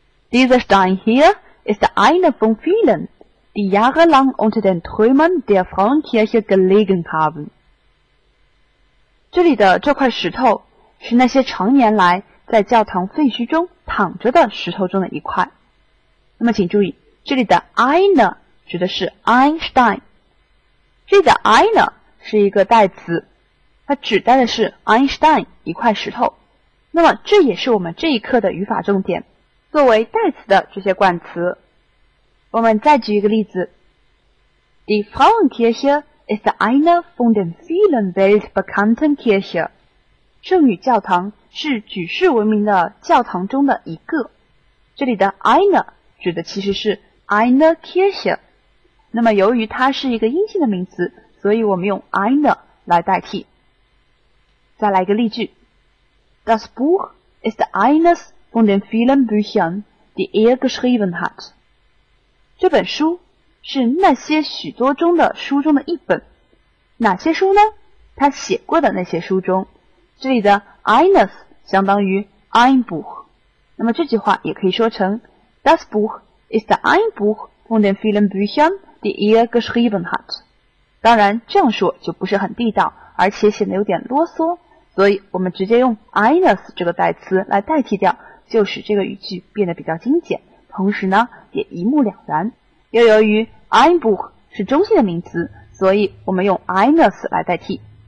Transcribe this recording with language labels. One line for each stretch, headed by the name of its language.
German: Dieser Stein hier ist einer von vielen, die jahrelang unter den Trümmern der Frauenkirche gelegen haben.
Chinese: 这里的这块石头是那些常年来在教堂废墟中躺着的石头中的一块。那么请注意，这里的 einer 指的是 Einstein。这里的 einer 是一个代词，它指代的是 Einstein 一块石头。那么这也是我们这一课的语法重点。作为代词的这些冠词，我们再举一个例子。
German: Die Frauenkirche ist eine von den vielen weltbekannten Kirche.
Chinese: 圣女教堂是举世闻名的教堂中的一个。这里的 eine 指的其实是 eine Kirche。那么由于它是一个阴性的名词，所以我们用 eine 来代替。再来一个例句。
German: Das Buch ist eines von den vielen Büchern, die geschrieben hat.
Chinese: 这本书是那些许多中的书中的一本。哪些书呢？他写过的那些书中。这里的 eines 相当于 ein Buch。那么这句话也可以说成
German: Das Buch ist ein Buch von den vielen Büchern, die geschrieben hat.
Chinese: 当然这样说就不是很地道，而且显得有点啰嗦，所以我们直接用 eines 这个代词来代替掉，就使这个语句变得比较精简，同时呢也一目了然。又由于 ein Buch 是中性的名词，所以我们用 eines 来代替。